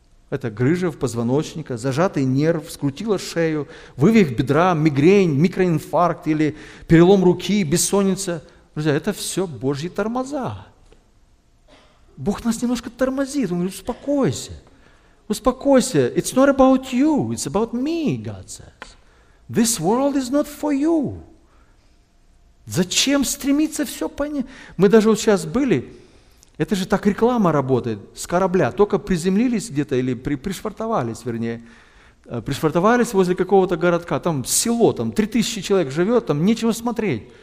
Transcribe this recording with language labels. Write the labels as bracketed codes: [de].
[ru] Это грыжа в позвоночнике, зажатый нерв, скрутила шею, вывих бедра, мигрень, микроинфаркт или перелом руки, бессонница. Друзья, это все Божьи тормоза. Бог нас немножко тормозит, Он говорит: успокойся, успокойся. [en] It's not about you, it's about me, God says. This world is not for you. [ru] Зачем стремиться все понять? Мы даже вот сейчас были, это же так реклама работает, с корабля. Только приземлились где-то, или пришвартовались, вернее. Пришвартовались возле какого-то городка, там село, там 3000 человек живет, там нечего смотреть.